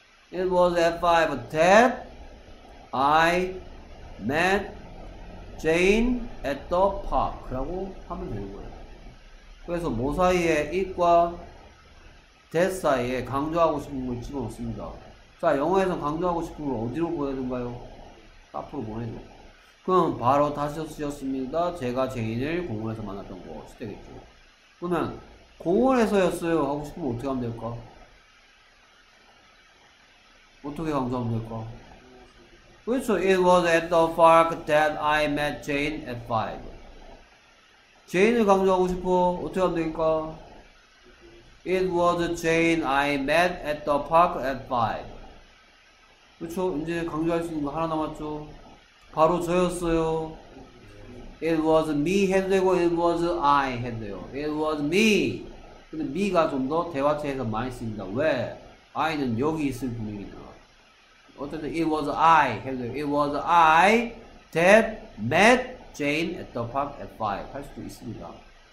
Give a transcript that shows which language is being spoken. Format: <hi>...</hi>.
<en>It was at 5 that I met Jane at the park.</en> <ko>라고 하면 되는 거예요. 그래서 뭐 사이에 it과 that 사이에 강조하고 싶은 걸 집어넣습니다. 자, 영어에서 강조하고 싶은 걸 어디로 보내는가요? 앞으로 보내죠. 그럼 바로 다시 쓰였습니다. 제가 제인을 공원에서 만났던 것이 되겠죠. 그러면 공원에서였어요 하고 싶으면 어떻게 하면 될까? 어떻게 강조하면 될까? 그렇죠.</ko> <en>It was at the park that I met Jane at 5.</en> <ko>제인을 강조하고 싶어. 어떻게 하면 될까?</ko> <en>It was Jane I met at the park at 5.</en> <ko>그렇죠. 이제 강조할 수 있는 거 하나 남았죠. 바로 저였어요.</ko> <en>It was me</en> <ko>해도 되고</ko> <en>It was I</en> <ko>해도 돼요.</ko> <en>It was me.</en> <ko>근데 me가 좀 더 대화체에서 많이 씁니다. 왜? I는 여기 있을 분위기다. 어쨌든</ko> <en>It was I</en> <ko>해도 돼요.</ko> <en>It was I that met Jane at the park at 5</en> <ko>할 수도 있습니다.</ko>